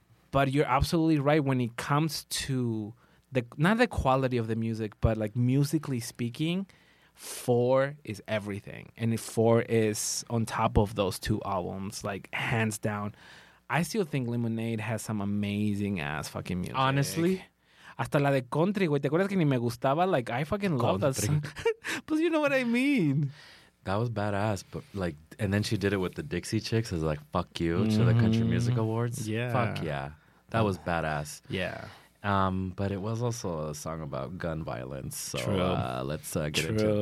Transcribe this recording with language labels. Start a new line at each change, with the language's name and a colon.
English: But you're absolutely right when it comes to the quality of the music, but like musically speaking, four is everything. And if four is on top of those two albums, like hands down, I still think Lemonade has some amazing ass fucking music. Honestly?
Spanish: Hasta la de Country, güey. ¿Te acuerdas que ni me gustaba?
English: Like, I fucking love that song. But you know what I mean. That was badass, but like, and then she did it with the Dixie Chicks. I was like, fuck you, to the Country Music Awards. Yeah. Fuck yeah. That was badass. Yeah. But it was also a song about gun violence. So let's get into it.